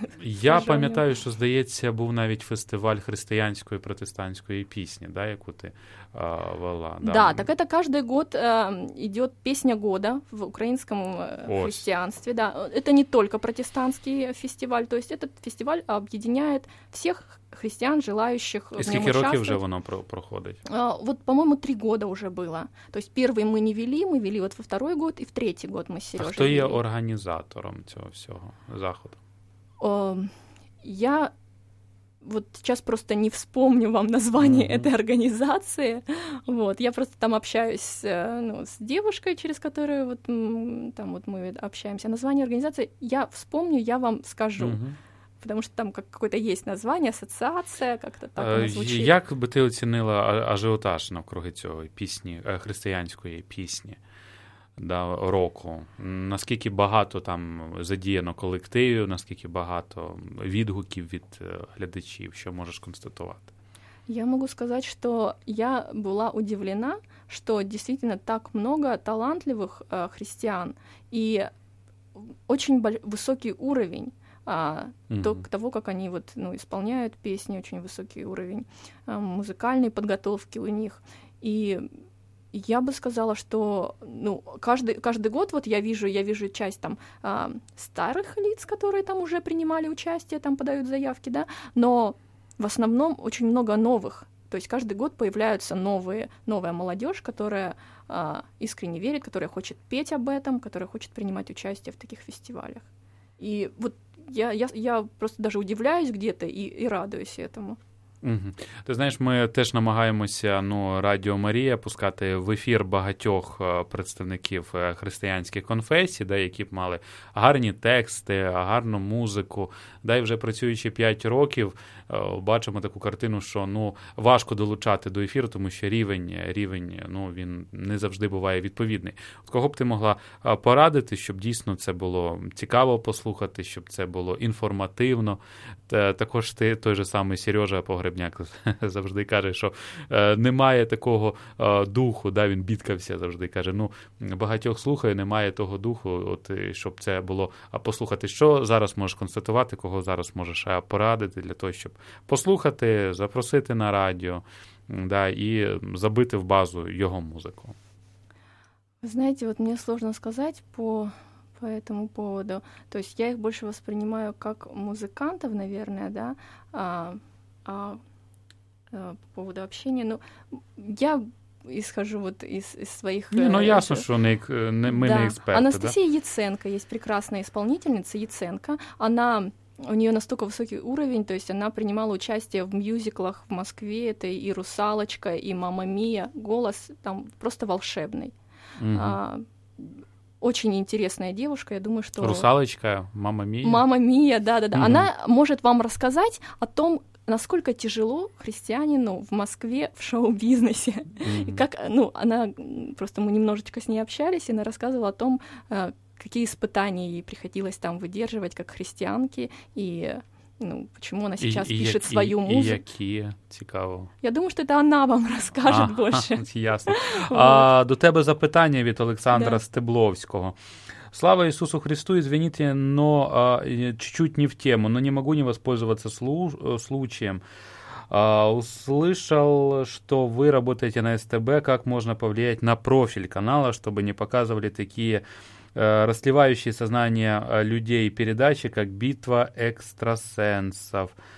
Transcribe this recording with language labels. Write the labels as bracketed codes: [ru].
[uk] Я пам'ятаю, що, здається, був навіть фестиваль християнської протестантської пісні, да, яку ти вела. Так, да, так це кожен рік йде «Пісня року» в українському християнстві. Да. Це не тільки протестантський фестиваль, то есть цей фестиваль об'єднує всіх християн, [ru] желающих в нём участвовать. И сколько [uk] років уже воно [ru] проходит? Вот, по-моему, 3 года уже было. То есть первый мы не вели, мы вели вот во второй год и в третий год мы с Серёжей. А кто є организатором этого всего захода? Я вот сейчас просто не вспомню вам название mm-hmm. этой организации. Вот, я просто там общаюсь с девушкой, через которую вот, там вот мы общаемся. Название организации я вспомню, я вам скажу. Mm-hmm. Потому что там какое-то есть название, ассоциация, как-то так звучит. [uk] Як би ти оцінила ажіотаж навкруги цього пісні, християнської пісні, да, року? Наскільки багато там задіяно колективів, наскільки багато відгуків від глядачів, що можеш констатувати? [ru] Я могу сказать, что я была удивлена, что действительно так много талантливых християн и очень высокий уровень. Того, как они вот, исполняют песни, очень высокий уровень музыкальной подготовки у них. И я бы сказала, что каждый год вот я вижу часть там старых лиц, которые там уже принимали участие, там подают заявки, да, но в основном очень много новых. То есть каждый год появляются новая молодежь, которая искренне верит, которая хочет петь об этом, которая хочет принимать участие в таких фестивалях. И вот Я просто даже удивляюсь где-то [uk] і радуюсь [ru] этому. Угу. [uk] Ти знаєш, ми теж намагаємося Радіо Марія пускати в ефір багатьох представників християнських конфесій, да, які б мали гарні тексти, гарну музику. Да, і вже працюючи 5 років, бачимо таку картину, що ну важко долучати до ефіру, тому що рівень ну він не завжди буває відповідний. От кого б ти могла порадити, щоб дійсно це було цікаво послухати, щоб це було інформативно? Також ти той же самий Сережа Погребняк завжди каже, що немає такого духу, да, він бідкався завжди, каже, ну, багатьох слухає, немає того духу, от, щоб це було послухати. Що зараз можеш констатувати, кого зараз можеш порадити для того, щоб послухати, запросити на радіо, да, і забити в базу його музику? Знаєте, от мені сложно сказати [ru] по этому поводу. То есть я их больше воспринимаю как музыкантов, наверное, да, по поводу общения. Ну, я исхожу вот из своих... Ну, ясно, что мы не эксперты. Анастасия Яценко есть прекрасная исполнительница, Яценко. Она... У нее настолько высокий уровень, то есть она принимала участие в мюзиклах в Москве. Это и «Русалочка», и «Мама Мия». Голос там просто волшебный. Угу. Очень интересная девушка, я думаю, что... «Русалочка», «Мама Мия». «Мама Мия», да-да-да. Угу. Она может вам рассказать о том, насколько тяжело христианину в Москве в шоу-бизнесе. Угу. Как, ну, она... Просто мы немножечко с ней общались, и она рассказывала о том, какие испытания ей приходилось там выдерживать как христианке, и ну, почему она сейчас пишет свою музыку. И какие, [uk] цікаво. [ru] Я думаю, что это она вам расскажет больше. Ясно. Вот. [uk] До тебе запитання від Олександра, да, Стебловського. Слава Ісусу Христу, [ru] извините, но чуть-чуть не в тему, но не могу не воспользоваться случаем. Услышал, что вы работаете на СТБ, как можно повлиять на профиль канала, чтобы не показывали такие... расливающие сознание людей передачи, как «Битва экстрасенсов».